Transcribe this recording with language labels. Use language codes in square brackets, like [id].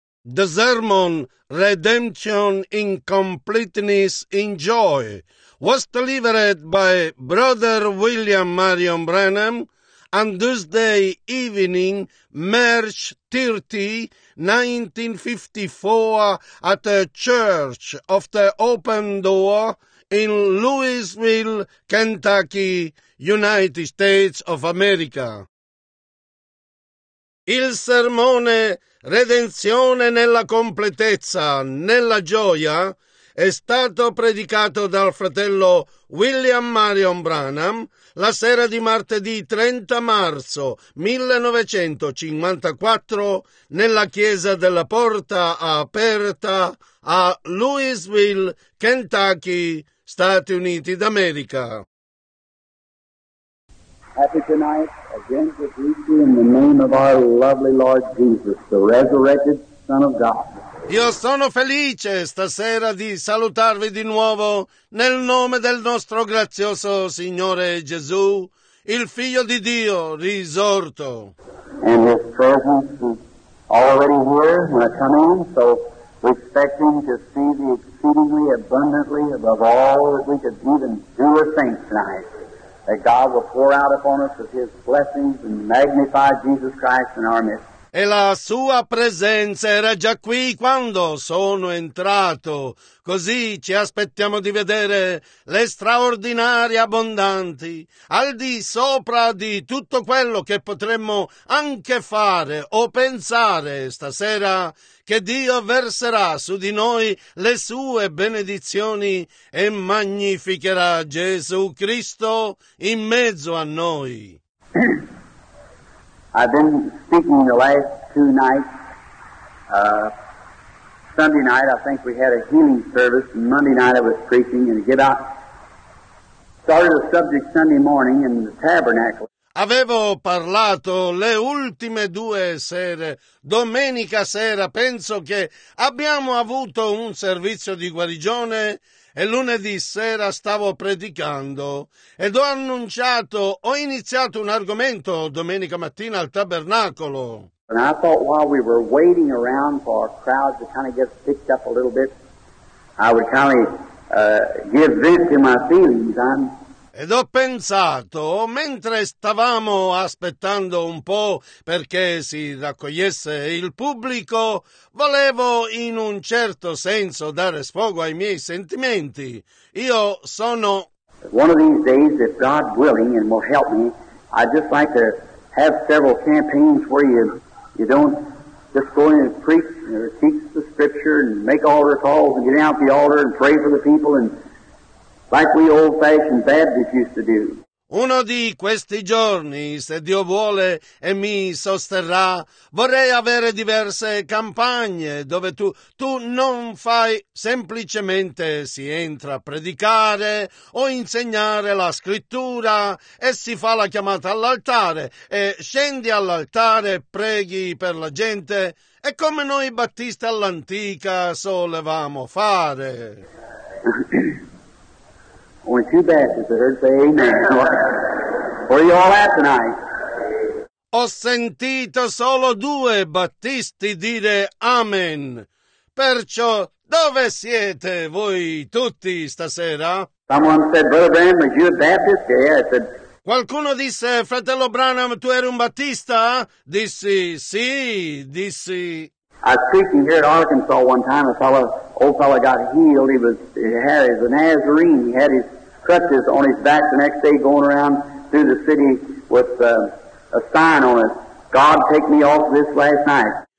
[en] The sermon, Redemption in Completeness in Joy, was delivered by Brother William Marion Branham on Tuesday evening, March 30, 1954, at the Church of the Open Door in Louisville, Kentucky, United States of America. [it] Il sermone Redenzione nella completezza, nella gioia, è stato predicato dal fratello William Marion Branham la sera di martedì 30 marzo 1954 nella chiesa della Porta Aperta a Louisville, Kentucky, Stati Uniti d'America. [en] Happy tonight again to greet you in the name of our lovely Lord Jesus, the resurrected Son of God. [it] Io sono felice stasera di salutarvi di nuovo nel nome del nostro grazioso Signore Gesù, il Figlio di Dio risorto. [en] And His presence is already here when I come in, so we're expecting to see the exceedingly abundantly above all that we could even do or think tonight. That God will pour out upon us with His blessings and magnify Jesus Christ in our midst. [it] E la sua presenza era già qui quando sono entrato. Così ci aspettiamo di vedere le straordinarie abbondanti al di sopra di tutto quello che potremmo anche fare o pensare stasera, che Dio verserà su di noi le sue benedizioni e magnificherà Gesù Cristo in mezzo a noi. [en] I've been speaking the last two nights. Sunday night, I think we had a healing service, and Monday night I was preaching, and get out. Started a subject Sunday morning in the tabernacle. [it] Avevo parlato le ultime due sere. Domenica sera penso che abbiamo avuto un servizio di guarigione. E lunedì sera stavo predicando ed ho annunciato, ho iniziato un argomento domenica mattina al tabernacolo. [en] And I thought while we were waiting around for our crowd to kind of get picked up a little bit, I would kind of give vent to my feelings. [it] Ed ho pensato, mentre stavamo aspettando un po' perché si raccogliesse il pubblico, volevo in un certo senso dare sfogo ai miei sentimenti. Io sono... [en] One of these days, if God willing and will help me, I'd just like to have several campaigns where you don't just go in and preach and teach the scripture and make altar calls and get out the altar and pray for the people and... Like we old-fashioned Baptists used to do. [it] Uno di questi giorni, se Dio vuole e mi sosterrà, vorrei avere diverse campagne dove tu non fai semplicemente si entra a predicare o insegnare la scrittura e si fa la chiamata all'altare e scendi all'altare, preghi per la gente e come noi battisti all'antica solevamo fare. [en] Only two Baptists that heard say amen. Where are you all at tonight? [it] Ho sentito solo due Battisti dire amen. Perciò, dove siete voi tutti stasera? [en] Someone said, Brother Branham, are you a Baptist? Yeah, I said. [it] Qualcuno disse, Fratello Branham, tu eri un Battista? Dissi, sì, dissi. [en] I was preaching here in Arkansas one time. An old fellow got healed. He was a Nazarene. He had his crutches on his back the next day going around through the city with a sign on it, God take me off this last night.